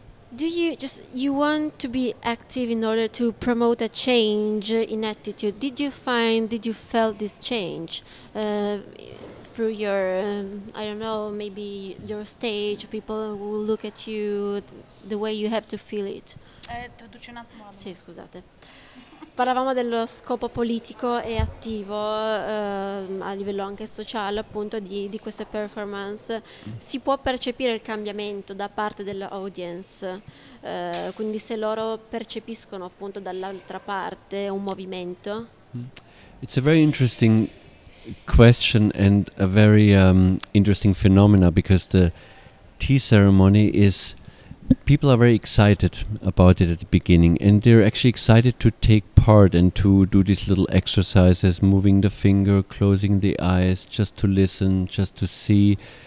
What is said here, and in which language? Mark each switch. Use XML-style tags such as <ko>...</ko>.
<en>You want to be active in order to promote a change in attitude. Did you felt this change through your, I don't know, maybe your stage, people who look at you, the way you have to feel it?</en> <it>Traduce un attimo. Sì, scusate. Parlavamo dello scopo politico e attivo a livello anche sociale, appunto, di queste performance. Si può percepire il cambiamento da parte dell'audience? Quindi se loro percepiscono appunto dall'altra parte un movimento?</it> <en>It's a very interesting question and a very interesting phenomena, because the tea ceremony is... People are very excited about it at the beginning, and they're actually excited to take part and to do these little exercises, moving the finger, closing the eyes, just to listen, just to see.</en>